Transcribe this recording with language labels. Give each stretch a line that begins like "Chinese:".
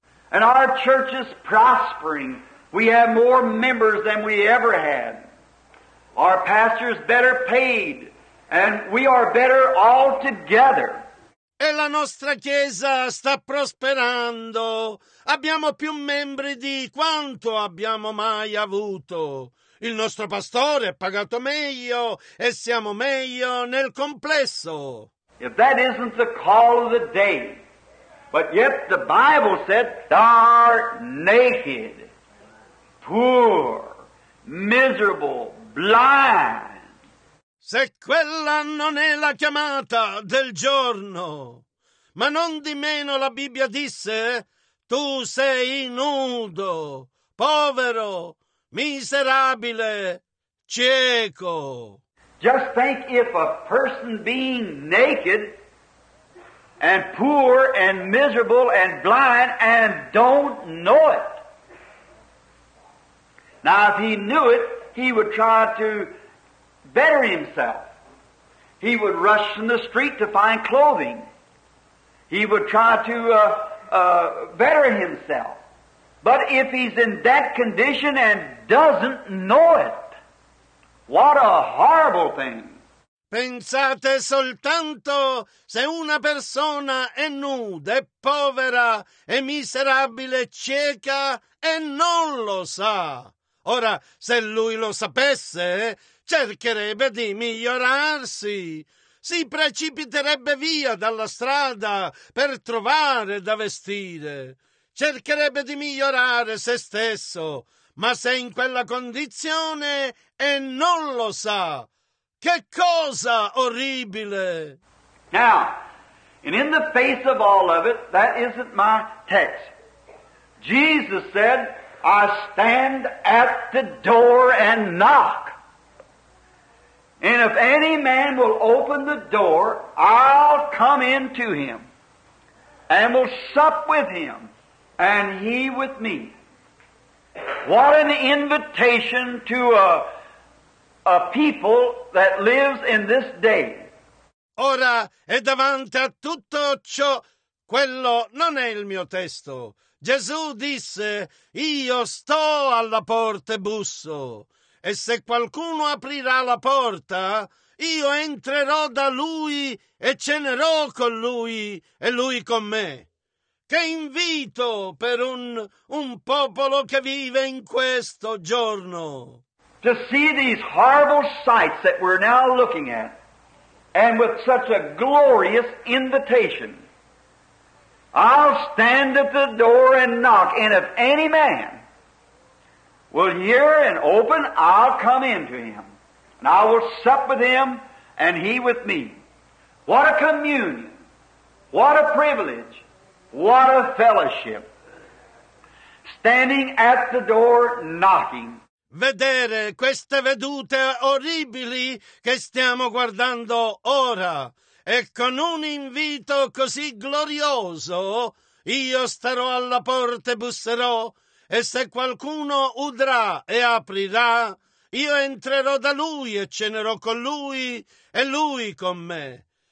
English: And our church is prospering. We have more members than we ever had. Our pastor is better paid, and we are better all together.
Italian: E la nostra chiesa sta prosperando. Abbiamo più membri di quanto abbiamo mai avuto. Il nostro pastore è pagato meglio, e siamo meglio nel complesso.
English: If that isn't the call of the day. But yet the Bible said, thou art naked, poor, miserable, blind.
Italian: Se quella non è la chiamata del giorno, ma non di meno la Bibbia disse, tu sei nudo, povero, miserabile, cieco.
English: Just think if a person being naked and poor and miserable and blind and don't know it. Now, if he knew it, he would try to better himself. He would rush in the street to find clothing. He would try to better himself. But if he's in that condition and doesn't know it, what a horrible thing.
Italian: Pensate soltanto se una persona è nuda, è povera, è miserabile, cieca e non lo sa. Ora, se lui lo sapesse, cercherebbe di migliorarsi. Si precipiterebbe via dalla strada per trovare da vestire. Cercherebbe di migliorare se stesso, ma se in quella condizione e non lo sa. Che cosa orribile!
English: Now, and in the face of all of it, that isn't my text. Jesus said, I stand at the door and knock. And if any man will open the door, I'll come in to him and will sup with him and he with me. What an invitation to a people that lives in this day.
Italian: Ora è davanti a tutto ciò, quello non è il mio testo. Gesù disse, io sto alla porta e busso, e se qualcuno aprirà la porta, io entrerò da lui e cenerò con lui e lui con me. Che invito per un popolo che vive in questo giorno.
English: To see these horrible sights that we're now looking at, and with such a glorious invitation. I'll stand at the door and knock, and if any man will hear and open, I'll come in to him, and I will sup with him, and he with me. What a communion, what a privilege, what a fellowship. Standing at the door, knocking.
Italian: Vedere queste vedute orribili che stiamo guardando ora. E con un invito così glorioso, io starò alla porta e busserò, e se qualcuno udrà e aprirà, io entrerò da lui e cenerò con lui e lui con me.